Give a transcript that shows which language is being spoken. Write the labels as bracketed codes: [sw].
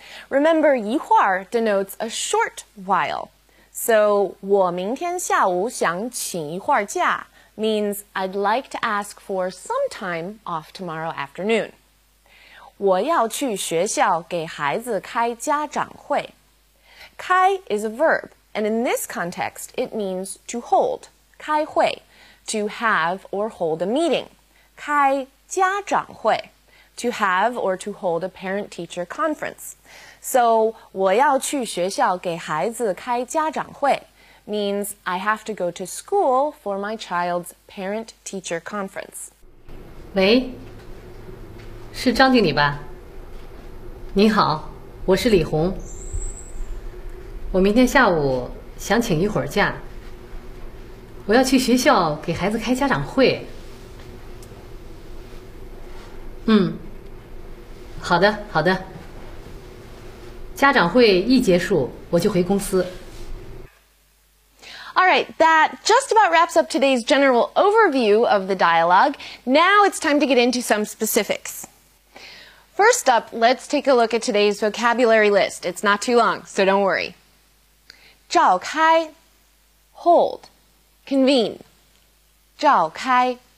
[en] Remember, 一会儿 denotes a short while. So, [zh] 我明天下午想请一会儿假 [en] means I'd like to ask for some time off tomorrow afternoon. [zh] 我要去学校给孩子开家长会。 [en] 开 is a verb, and in this context, it means to hold, 开会。 To have or hold a meeting, [zh] 开家长会, [en] to have or to hold a parent-teacher conference. So, [zh] 我要去学校给孩子开家长会 [en] means I have to go to school for my child's parent-teacher conference. [zh] 喂，是张经理吧？你好，我是李红。我明天下午想请一会儿假。我要去学校给孩子开家长会。嗯，好的，好的。家长会一结束，我就回公司。 [en] All right, that just about wraps up today's general overview of the dialogue. Now it's time to get into some specifics. First up, let's take a look at today's vocabulary list. It's not too long, so don't worry. 召开 hold. Convene, 召开。